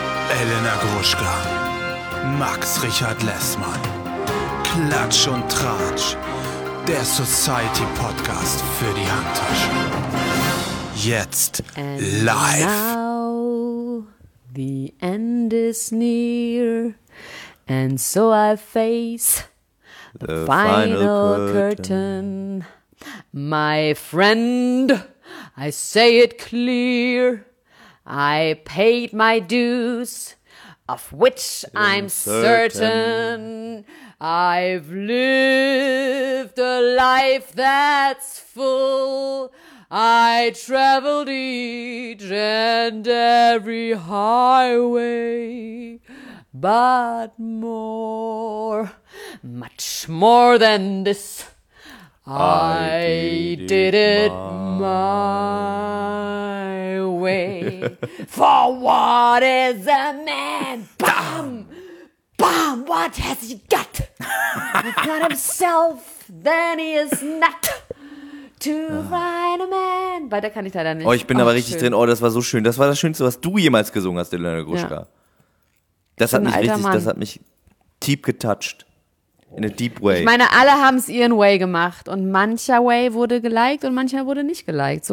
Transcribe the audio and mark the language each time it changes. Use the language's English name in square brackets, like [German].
[German] Helena Gruschka, Max Richard Lessmann, Klatsch und Tratsch, der Society Podcast für die Handtasche. Jetzt [English] and live. Now the end is near, and so I face the final curtain. My friend, I say it clear. I paid my dues, of which I'm certain. I've lived a life that's full. I traveled each and every highway, but more, much more than this, I did it my way. For what is a man? Bam! Bam! What has he got? If not himself, then he is not. To find a man. [German] Weiter kann ich leider nicht. Oh, ich bin aber richtig schön. Drin. Oh, das war so schön. Das war das Schönste, was du jemals gesungen hast, Helena Gruschka. Ja. Das hat mich richtig, Mann. Das hat mich deep getouched. [English] In a deep way. [German] Ich meine, alle haben es ihren Way gemacht. Und mancher Way wurde geliked und mancher wurde nicht geliked.